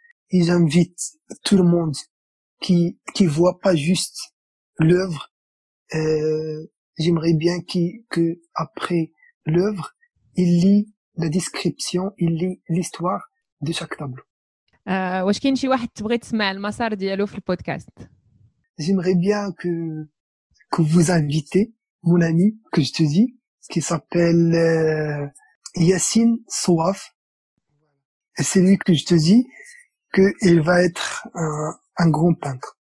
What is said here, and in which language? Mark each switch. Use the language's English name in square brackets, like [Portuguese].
[French] Et j'invite tout le monde qui voit pas juste l'œuvre. J'aimerais bien qu'après l'œuvre, il lit la description, il lit l'histoire de chaque tableau. [Arabic] واش كاين شي واحد تبغي تسمع المسار ديالو في البودكاست؟ [French] J'aimerais bien que vous invitez mon ami que je te dis qui s'appelle Yassine Souaf. C'est lui que je te dis que il va être un grand peintre.